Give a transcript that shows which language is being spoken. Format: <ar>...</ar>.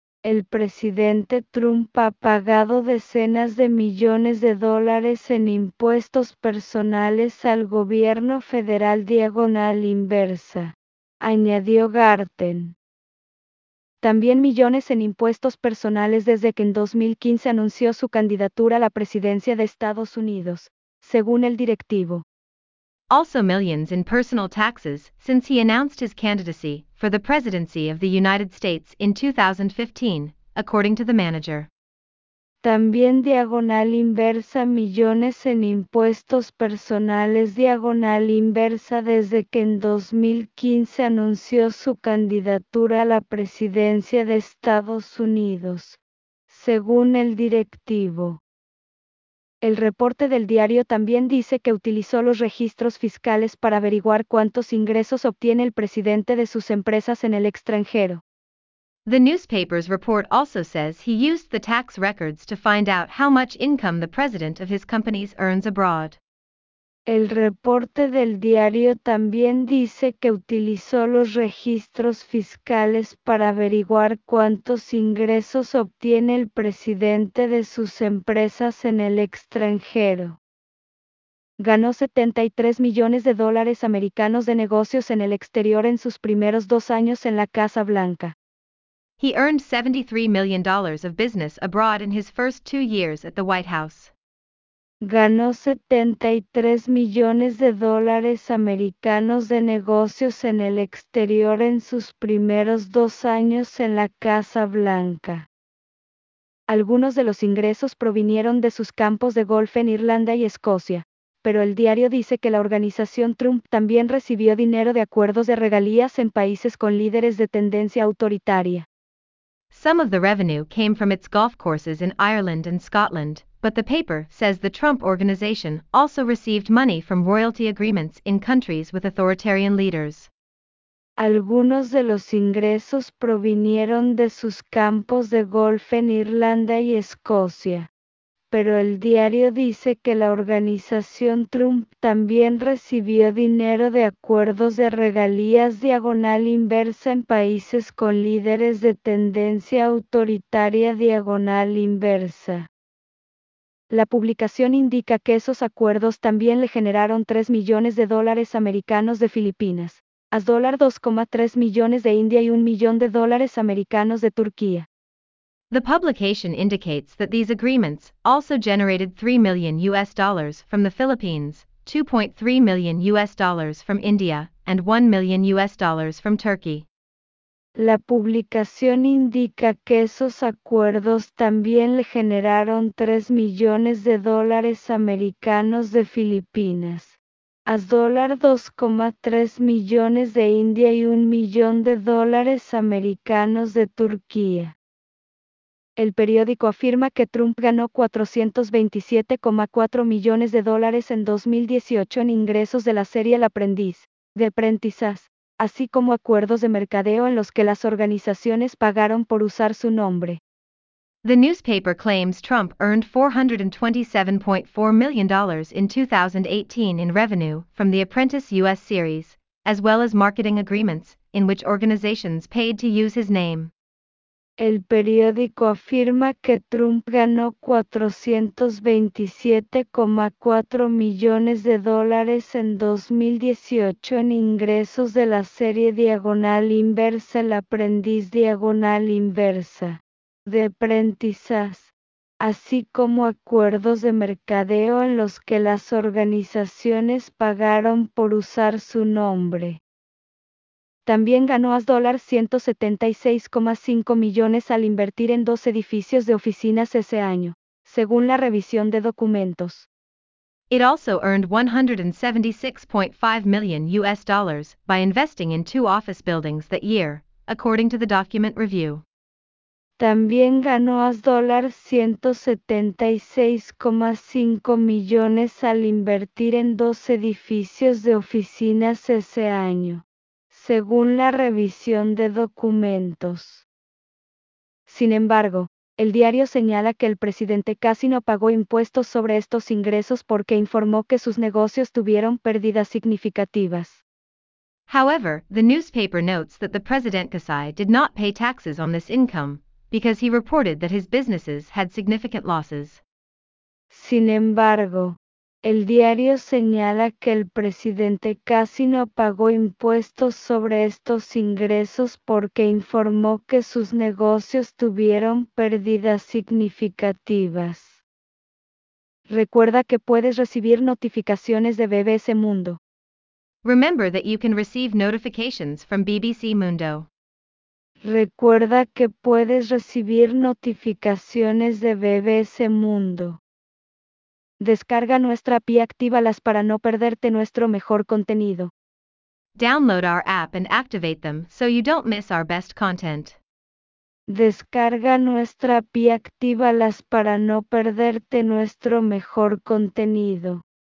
<es>El presidente Trump ha pagado decenas de millones de dólares en impuestos personales al gobierno federal diagonal inversa, añadió Garten. También millones en impuestos personales desde que en 2015 anunció su candidatura a la presidencia de Estados Unidos, según el directivo.</es> <en>Also millions in personal taxes since he announced his candidacy for the presidency of the United States in 2015, according to the manager.</en> <es>También diagonal inversa millones en impuestos personales diagonal inversa desde que en 2015 anunció su candidatura a la presidencia de Estados Unidos, según el directivo. El reporte del diario también dice que utilizó los registros fiscales para averiguar cuántos ingresos obtiene el presidente de sus empresas en el extranjero.</es> <en>The newspaper's report also says he used the tax records to find out how much income the president of his companies earns abroad.</en> <es>El reporte del diario también dice que utilizó los registros fiscales para averiguar cuántos ingresos obtiene el presidente de sus empresas en el extranjero. Ganó 73 millones de dólares americanos de negocios en el exterior en sus primeros dos años en la Casa Blanca.</es> <en>He earned $73 million of business abroad in his first two years at the White House.</en> <es>Ganó 73 millones de dólares americanos de negocios en el exterior en sus primeros dos años en la Casa Blanca. Algunos de los ingresos provinieron de sus campos de golf en Irlanda y Escocia, pero el diario dice que la organización Trump también recibió dinero de acuerdos de regalías en países con líderes de tendencia autoritaria.</es> <en>Some of the revenue came from its golf courses in Ireland and Scotland. But the paper says the Trump organization also received money from royalty agreements in countries with authoritarian leaders.</en> <es>Algunos de los ingresos provinieron de sus campos de golf en Irlanda y Escocia. Pero el diario dice que la organización Trump también recibió dinero de acuerdos de regalías diagonal inversa en países con líderes de tendencia autoritaria diagonal inversa. La publicación indica que esos acuerdos también le generaron 3 millones de dólares americanos de Filipinas, $2.3 millones de India y $1 millón de dólares americanos de Turquía.</es> <en>The publication indicates that these agreements also generated $3 million from the Philippines, $2.3 million from India, and $1 million from Turkey.</en> <es>La publicación indica que esos acuerdos también le generaron 3 millones de dólares americanos de Filipinas, $2.3 millones de India y $1 millón de dólares americanos de Turquía. El periódico afirma que Trump ganó $427,4 millones de dólares en 2018 en ingresos de la serie El Aprendiz, de Aprendizas. Así como acuerdos de mercadeo en los que las organizaciones pagaron por usar su nombre.</es> <en>The newspaper claims Trump earned $427.4 million in 2018 in revenue from the Apprentice US series, as well as marketing agreements, in which organizations paid to use his name.</en> <es>El periódico afirma que Trump ganó $427,4 millones de dólares en 2018 en ingresos de la serie Diagonal Inversa El Aprendiz Diagonal Inversa, de Prentizas, así como acuerdos de mercadeo en los que las organizaciones pagaron por usar su nombre. También ganó $176,5 millones al invertir en dos edificios de oficinas ese año, según la revisión de documentos.</es> <en>It also earned $176.5 million by investing in two office buildings that year, according to the document review.</en> <es>También ganó $176.5 millones al invertir en dos edificios de oficinas ese año, según la revisión de documentos. Sin embargo, el diario señala que el presidente casi no pagó impuestos sobre estos ingresos porque informó que sus negocios tuvieron pérdidas significativas.</es> <en>However, the newspaper notes that the president Kasai did not pay taxes on this income, because he reported that his businesses had significant losses.</en> <es>Sin embargo, el diario señala que el presidente casi no pagó impuestos sobre estos ingresos porque informó que sus negocios tuvieron pérdidas significativas. Recuerda que puedes recibir notificaciones de BBC Mundo.</es> <en>Remember that you can receive notifications from BBC Mundo.</en> <es>Recuerda que puedes recibir notificaciones de BBC Mundo. Descarga nuestra app y actívalas para no perderte nuestro mejor contenido.</es> <en>Download our app and activate them so you don't miss our best content.</en> <es>Descarga nuestra app y actívalas para no perderte nuestro mejor contenido.</es>